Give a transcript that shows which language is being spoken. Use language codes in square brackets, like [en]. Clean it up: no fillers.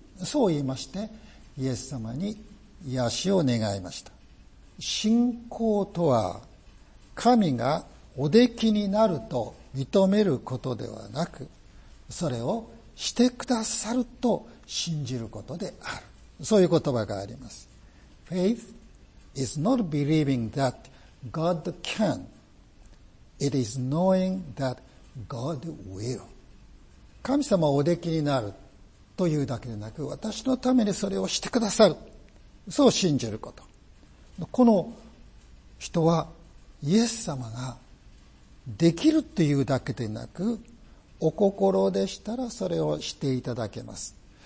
[ja] そう言いまして、イエス様に癒しを願いました。信仰とは、神がおできになると認めることではなく、それをしてくださると信じることである。そういう言葉があります。 [en] Faith is not believing that God can. It is knowing that God will. [ja] 神様をおできになるというだけでなく、私のためにそれをしてくださる。そう信じること。この人はイエス様ができるというだけでなく、お心でしたらそれをしていただけます。